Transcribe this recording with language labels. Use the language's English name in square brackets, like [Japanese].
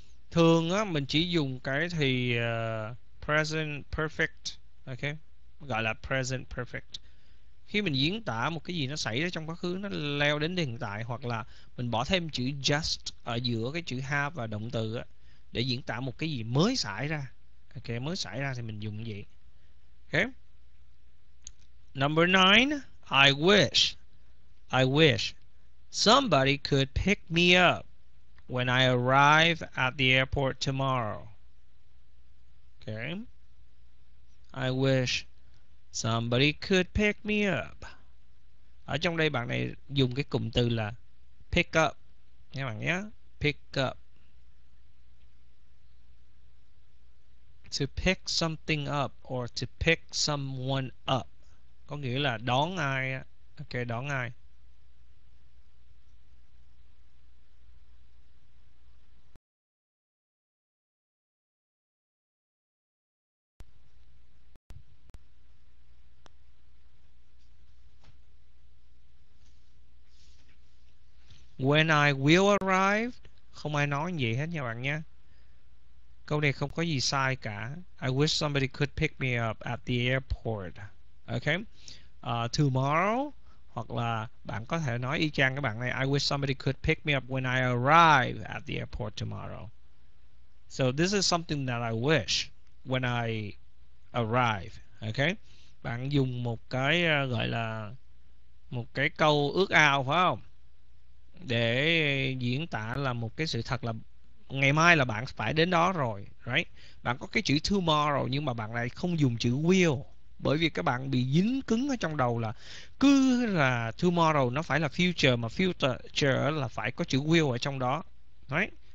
[Vietnamese] Thường á mình chỉ dùng cái thì present perfect. Ok, gọi là present perfect khi mình diễn tả một cái gì nó xảy ra trong quá khứ, nó leo đến hiện tại, hoặc là mình bỏ thêm chữ just ở giữa cái chữ have và động từ á, để diễn tả một cái gì mới xảy ra. Ok, mới xảy ra thì mình dùng vậy. [English] Ok, number 9, I wish somebody could pick me up when I arrive at the airport tomorrow. Okay. I wish somebody could pick me up. [Vietnamese] Ở trong đây bạn này dùng cái cụm từ là pick up. Nghe bạn nhé. Pick up. [English] To pick something up or to pick someone up. [Vietnamese] Có nghĩa là đón ai. Ok, đón ai. [English] When I will arrive, [Vietnamese] không ai nói gì hết nha bạn nha. Câu này không có gì sai cả. [English] I wish somebody could pick me up at the airport. Okay. [Vietnamese] Tomorrow, hoặc là bạn có thể nói y chang các bạn này. [English] I wish somebody could pick me up when I arrive at the airport tomorrow. So this is something that I wish when I arrive. Okay. [Vietnamese] Bạn dùng một cái gọi là một cái câu ước ao phải không? Để diễn tả là một cái sự thật là ngày mai là bạn phải đến đó rồi, right? Bạn có cái chữ tomorrow nhưng mà bạn lại không dùng chữ will, bởi vì các bạn bị dính cứng ở trong đầu là cứ là tomorrow nó phải là future, mà future là phải có chữ will ở trong đó, right?